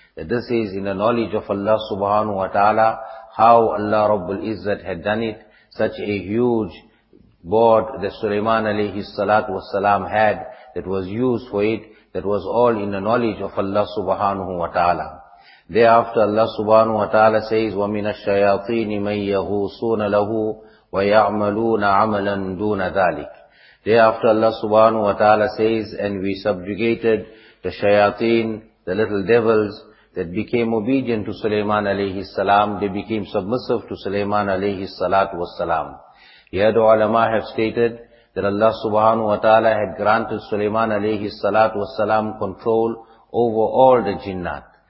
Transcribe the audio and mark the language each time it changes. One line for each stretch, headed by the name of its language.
English: That this is in the knowledge of Allah subhanahu wa ta'ala, how Allah Rabbul Izzat had done it. Such a huge board that Sulaiman alayhi salatu wasalam had, that was used for it, that was all in the knowledge of Allah subhanahu wa ta'ala. Thereafter Allah subhanahu wa ta'ala says,
Arabic: وَمِنَ الشَّيَاطِينِ مَنْ يَغُوصُونَ لَهُ وَيَعْمَلُونَ عَمَلًا دُونَ ذَلِكَ.
English: Thereafter Allah subhanahu wa ta'ala says, and we subjugated the shayateen, the little devils, that became obedient to Sulaiman alayhi salam. They became submissive to Sulaiman alayhi salatu wasalam. Yadu ulama have stated that Allah subhanahu wa ta'ala had granted Sulaiman alayhi salatu wasalam control over all the jinnat.